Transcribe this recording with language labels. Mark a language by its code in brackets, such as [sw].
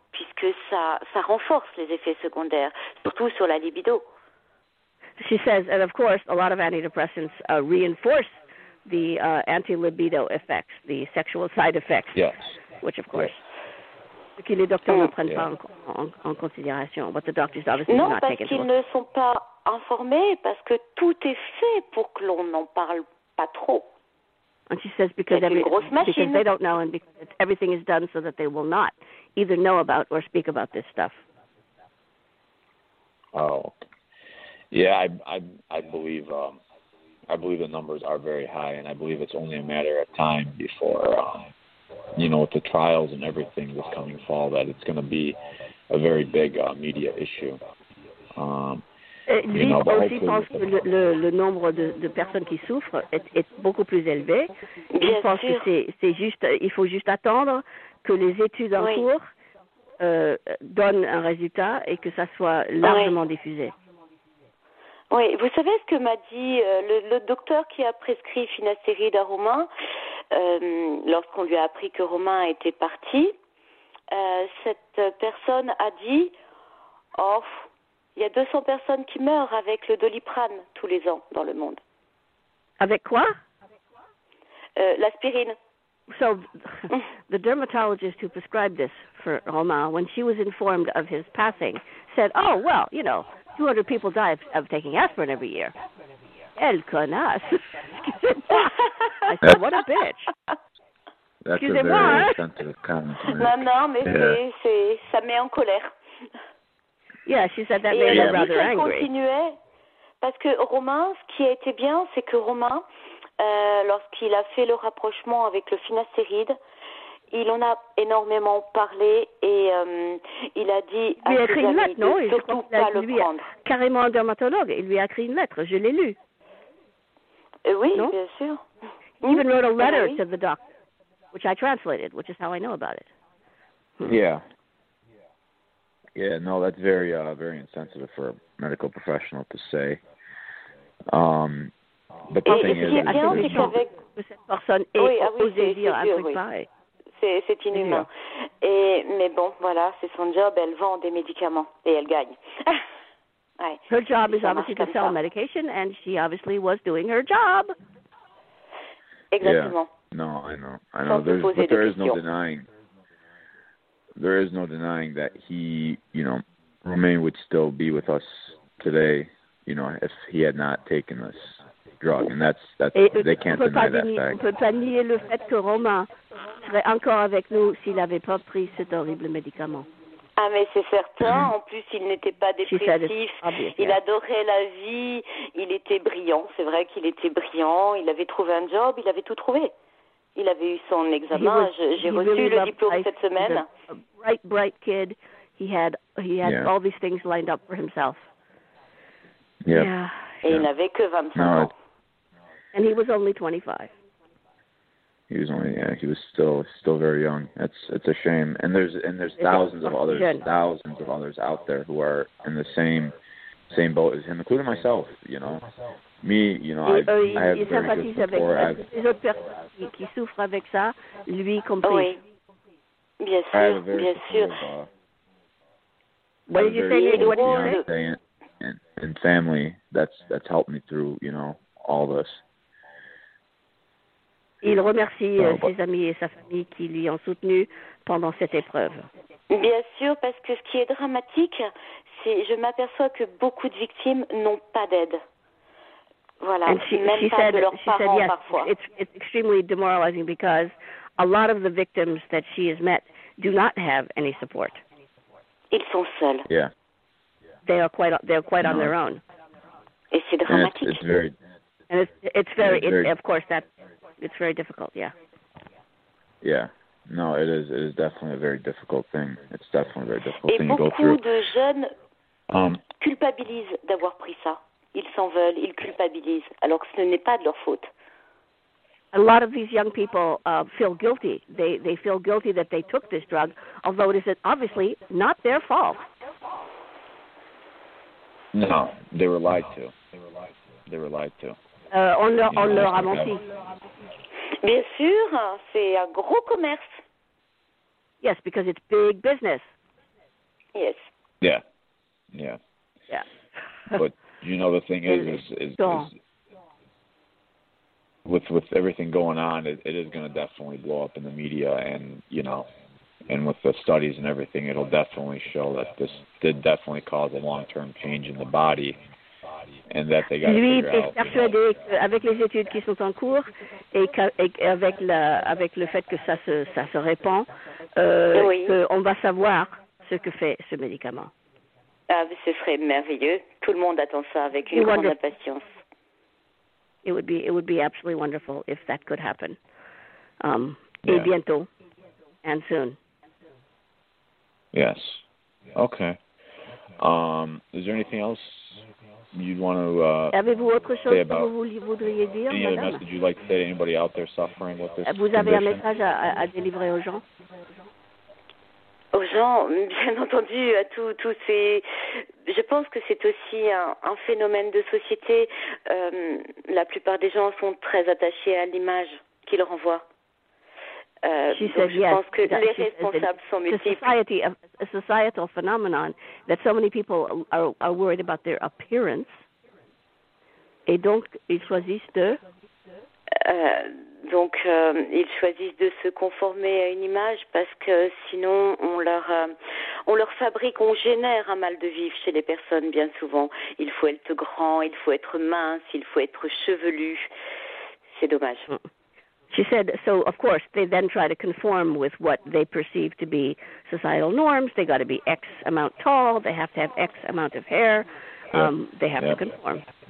[fr] Puisque ça renforce les effets secondaires, surtout sur la libido. [en] She says, and of course, a lot of antidepressants reinforce the anti-libido effects, the sexual side effects. Yes. Which, of course, [fr] ce que les docteurs ne prennent pas en considération. [en] But the doctors obviously [fr] non, [en] do not [fr] parce [en] take [fr] qu'ils ne sont pas informés, parce que tout est fait pour que l'on n'en parle pas trop. [en] And she says because they don't know, and because everything is done so that they will not either know about or speak about this stuff. Oh, yeah, I believe the numbers are very high, and I believe it's only a matter of time before, with the trials and everything this coming fall, that it's going to be a very big media issue. [fr] Lui aussi pense que le nombre de personnes qui souffrent est beaucoup plus élevé. Bien il pense sûr. Que c'est juste, il faut juste attendre que les études en cours donnent un résultat et que ça soit largement diffusé. Oui, vous savez ce que m'a dit le docteur qui a prescrit finastéride à Romain lorsqu'on lui a appris que Romain était parti. cette personne a dit, oh, il y a 200 personnes qui meurent avec le doliprane tous les ans dans le monde. Avec quoi? L'aspirine. [en] So, the dermatologist who prescribed this for Roma, when she was informed of his passing, said, oh, well, you know, 200 people die of taking aspirin every year. El conas. I said, what a bitch. That's a very offensive comment. [fr] Non, mais yeah. c'est, ça met en colère. [en] Yeah, she said that made her rather angry. [fr] Et elle continuait, parce que Roma, ce qui a été bien, c'est que Roma... lorsqu'il a fait le rapprochement avec le finastéride, il en a énormément parlé et il a dit à ses amis de surtout pas le prendre. Carrément un dermatologue, il lui a écrit une lettre, je l'ai lu. Oui, non? Bien sûr. [en] He even wrote a letter to the doctor, which I translated, which is how I know about it. Yeah. Yeah, no, that's very, very insensitive for a medical professional to say. [fr] Et ce qui est bien, c'est qu'avec cette personne ait oui, osé oui, c'est dire sûr, un truc oui. pareil. C'est inhumain. Et, mais bon, voilà, c'est son job, elle vend des médicaments et elle gagne. Ouais. [en] Her job is obviously to sell medication and she obviously was doing her job. [fr] Exactement. [en] Yeah. No, I know. There is no denying that he, you know, Romain would still be with us today, you know, if he had not taken this. Drug, and they can't deny that fact. [fr] On peut pas nier le fait que Romain serait encore avec nous s'il avait pas pris cet horrible médicament. Ah, mais c'est certain. Mm-hmm. En plus, il n'était pas dépressif. Il adorait la vie. Il était brillant. C'est vrai qu'il était brillant. Il avait trouvé un job. Il avait tout trouvé. Il avait eu son examen. J'ai reçu le diplôme cette semaine. [en] Bright kid. He had all these things lined up for himself. Yep. Yeah. [fr] Et il n'avait que 25 ans. [en] And he was only 25. He was still very young. It's a shame. And there's thousands of others out there who are in the same boat as him, including myself, you know. Me, you know, I have very good support. [fr] Les autres personnes qui souffrent avec ça, lui compris. Oui. Bien sûr. [en] What did you say? And family, that's helped me through, you know, all this. [fr] Il remercie ses amis et sa famille qui lui ont soutenu pendant cette épreuve. Bien sûr, parce que ce qui est dramatique, c'est je m'aperçois que beaucoup de victimes n'ont pas d'aide. Voilà, même pas de leurs parents, parfois. [en] It's extremely demoralizing because a lot of the victims that she has met do not have any support. [fr] Ils sont seuls. [en] Yeah. They are quite on their own. [fr] Et c'est dramatique. [en] It's very difficult, yeah. Yeah. No, it is definitely a very difficult thing. It's definitely a very difficult [fr] Et [en] thing [fr] beaucoup [en] to go through. [fr] De jeunes culpabilisent d'avoir pris ça. Ils s'en veulent, ils culpabilisent, alors que ce n'est pas de leur faute. [en] A lot of these young people feel guilty. They feel guilty that they took this drug, although it is obviously not their fault. No, they were lied to. They were lied to. [fr] On leur a menti. Bien sûr, c'est un gros commerce. [en] Yes, because it's big business. Yes. Yeah, yeah. Yeah. But you know the thing is with everything going on, it is going to definitely blow up in the media, and you know. And with the studies and everything, it'll definitely show that this did definitely cause a long-term change in the body, and that they got to figure out. [fr] Lui est persuadé qu'avec les études qui sont en cours et avec le fait que ça se répand, qu'on va savoir ce que fait ce médicament. Ah, ce serait merveilleux. Tout le monde attend ça avec une grande impatience. [en] It would be absolutely wonderful if that could happen. [fr] Et bientôt, [en] and soon. Yes. Okay. Is there anything else you'd want to [fr] avez-vous autre chose [en] say about [fr] que vous voudriez dire, [en] any other message you'd like to say to anybody out there suffering with this [fr] vous [en] condition? [fr] Avez un message à délivrer aux gens? Aux gens, bien entendu, à tous ces... Je pense que c'est aussi un phénomène de société. La plupart des gens sont très attachés à l'image qu'ils renvoient. [en] She said yes. [fr] Je pense que les responsables sont multiples. [en] Society, a societal phenomenon that so many people are worried about their appearance. [fr] Et donc, ils choisissent de... ils choisissent de se conformer à une image parce que sinon on leur fabrique, on génère un mal de vivre chez les personnes bien souvent. Il faut être grand, il faut être mince, il faut être chevelu. C'est dommage. [en] She said, so of course, they then try to conform with what they perceive to be societal norms. They got to be X amount tall, they have to have X amount of hair, they have to conform.